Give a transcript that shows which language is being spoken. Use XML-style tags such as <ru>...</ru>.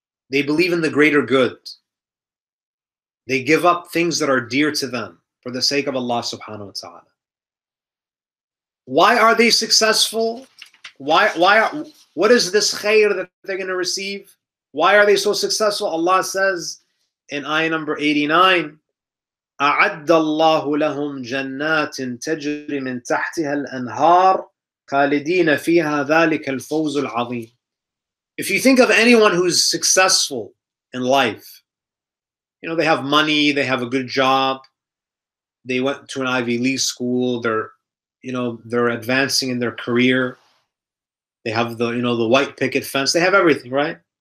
<en>They believe in the greater good. They give up things that are dear to them for the sake of Allah subhanahu wa ta'ala. Why are they successful? What is this khair that they're going to receive? Why are they so successful? Allah says in ayah number 89,</en> <ar>أَعَدَّ اللَّهُ لَهُمْ جَنَّاتٍ تَجْرِ مِنْ تَحْتِهَا الْأَنْهَارِ خَالِدِينَ فِيهَا ذَلِكَ الْفَوْزُ الْعَظِيمِ.</ar> <en>If you think of anyone who's successful in life, you know, they have money, they have a good job, they went to an Ivy League school, they're advancing in their career, they have the white picket fence, they have everything, right?</en>